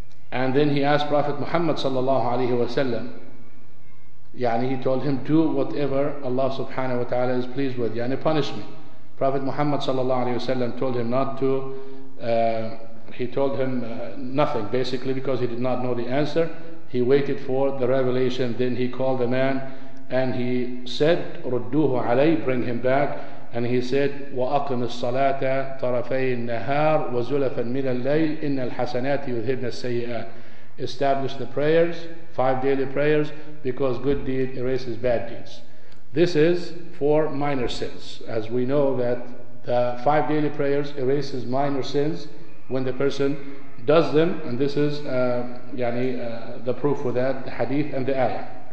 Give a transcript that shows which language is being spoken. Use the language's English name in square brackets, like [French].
[English] And then he asked Prophet Muhammad sallallahu alayhi wa sallam, yani he told him, do whatever Allah subhanahu wa ta'ala is pleased with, yani punish me. Prophet Muhammad sallallahu alayhi wa sallam told him not to, he told him nothing basically because he did not know the answer. He waited for the revelation, then he called the man and he said, [Arabic] رُدُّوهُ عَلَيْهِ, [English] bring him back. And he said, [Arabic] وَأَقِمِ الصَّلَاةَ طَرَفَيِ النَّهَارِ وَزُلَفًا مِنَ اللَّيْلِ إِنَّ الْحَسَنَاتِ يُذْهِبْنَ السَّيِّئَاتِ. [English] Establish the prayers, five daily prayers, because good deed erases bad deeds. This is for minor sins. As we know that the five daily prayers erases minor sins when the person does them, and this is the proof for that, the hadith and the ayah.